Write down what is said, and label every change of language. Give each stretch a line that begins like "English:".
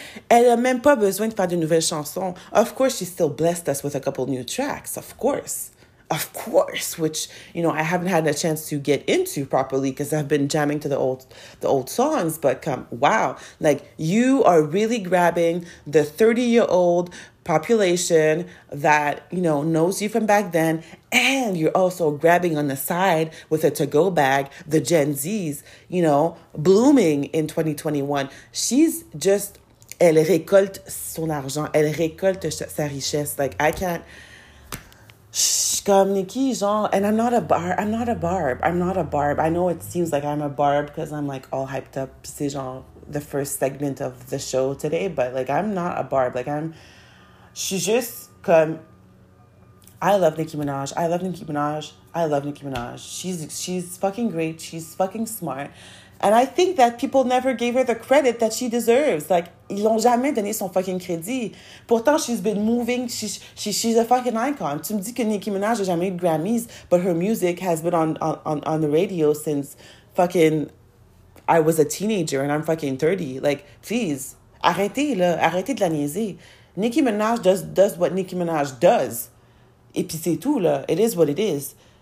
French: Elle a même pas besoin de faire de nouvelles chansons.
English: Of course, she still blessed us with a couple new tracks. Of course. Of course, which, you know, I haven't had a chance to get into properly because I've been jamming to the old songs. But come, wow, like, you are really grabbing the 30-year-old population that, you know, knows you from back then. And you're also grabbing on the side with a to-go bag, the Gen Z's, you know, blooming in 2021. She's just,
French: elle récolte son argent, elle récolte sa richesse.
English: Like, I can't.
French: Comme Nicki, genre,
English: and I'm not a barb. I know it seems like I'm a barb because I'm, like, all hyped up.
French: C'est genre
English: the first segment of the show today, but, like, I'm not a barb. Like, I'm, she's just,
French: comme,
English: I love Nicki Minaj. She's fucking great. She's fucking smart. And I think that people never gave her the credit that she deserves. Like,
French: ils l'ont jamais donné son fucking crédit. Pourtant,
English: she's been moving. She's a fucking icon.
French: Tu me dis que Nicki Minaj a jamais eu Grammys,
English: but her music has been on the radio since fucking I was a teenager and I'm fucking 30. Like, please,
French: arrêtez, là. Arrêtez de la niaiser.
English: Nicki Minaj does what Nicki Minaj does.
French: Et puis c'est tout, là.
English: It is what it is.